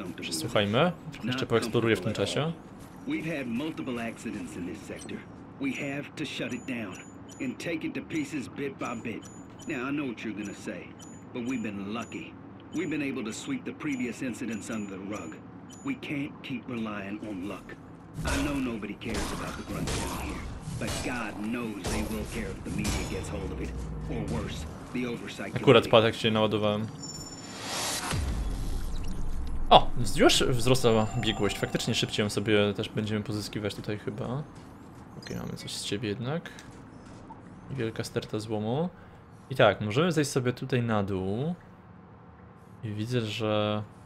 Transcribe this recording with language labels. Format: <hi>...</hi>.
<pl>Słuchajmy, jeszcze poeksploruję w tym czasie.</pl> <en>We've had multiple accidents in this sector. We have to shut it down and take it to pieces bit by bit. Now I know what you're gonna say, but we've been lucky. We've been able to sweep the previous incidents under the rug. We can't keep relying on luck. I know nobody cares about the grunts down here, but God knows they will care if the media gets hold of it, or worse.</en> <pl>Akurat patek się naładowałem. O! Już wzrosła biegłość. Faktycznie szybciej ją sobie też będziemy pozyskiwać tutaj chyba. Ok, mamy coś z ciebie jednak. Wielka sterta złomu. I tak, możemy zejść sobie tutaj na dół. I widzę, że...</pl>